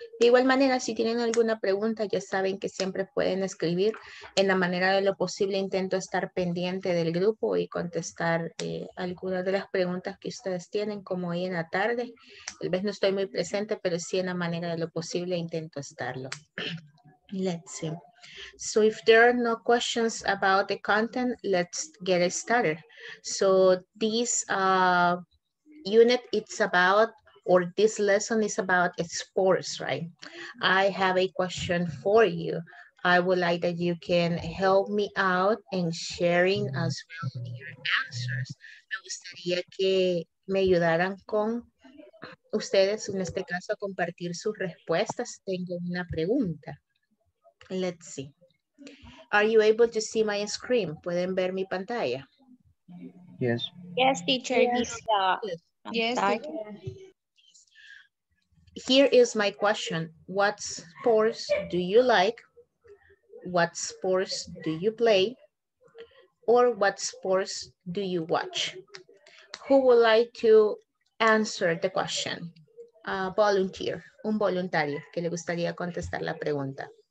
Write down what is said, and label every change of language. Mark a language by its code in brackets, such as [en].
[es] De igual manera, si tienen alguna pregunta, ya saben que siempre pueden escribir. En la manera de lo posible, intento estar pendiente del grupo y contestar algunas de las preguntas que ustedes tienen, como hoy en la tarde. Tal vez no estoy muy presente, pero sí en la manera de lo posible intento estarlo. [en] Let's see. So if there are no questions about the content, let's get it started. So this unit, it's about, or this lesson is about sports, right? I have a question for you. I would like that you can help me out in sharing as well your answers. [es] Me gustaría que me ayudaran con ustedes, en este caso, a compartir sus respuestas. Tengo una pregunta. [en] Let's see. Are you able to see my screen? [es] ¿Pueden ver mi pantalla? [en] Yes. Yes, teacher. Yes. Yes. Yes. Here is my question. What sports do you like? What sports do you play? Or what sports do you watch? who would like to answer the question? [es] Volunteer, un voluntario que le gustaría contestar la pregunta.